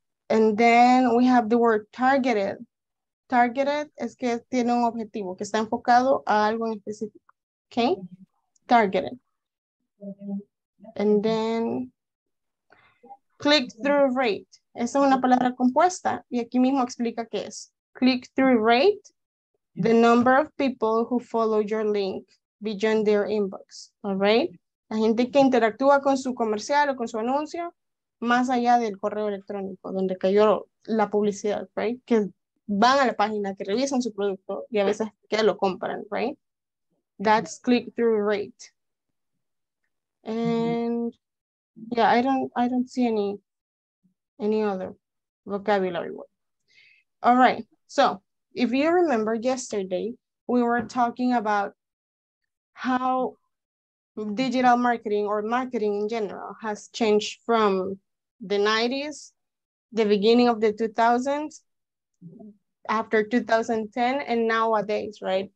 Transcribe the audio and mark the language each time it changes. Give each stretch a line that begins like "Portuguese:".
English: And then we have the word targeted.
Spanish: Targeted es que tiene un objetivo, que está enfocado a algo en específico. Okay. Targeted.
English: And then click-through rate.
Spanish: Esa es una palabra compuesta y aquí mismo explica qué es.
English: Click-through rate, the number of people who follow your link beyond their inbox, all right?
Spanish: La gente que interactúa con su comercial o con su anuncio más allá del correo electrónico donde cayó la publicidad, right? Que van a la página, que revisan su producto y a veces que lo compran, right?
English: That's click-through rate. And yeah, I don't see any other vocabulary word. All right. So if you remember yesterday, we were talking about how digital marketing or marketing in general has changed from the 90s, the beginning of the 2000s, after 2010, and nowadays, right?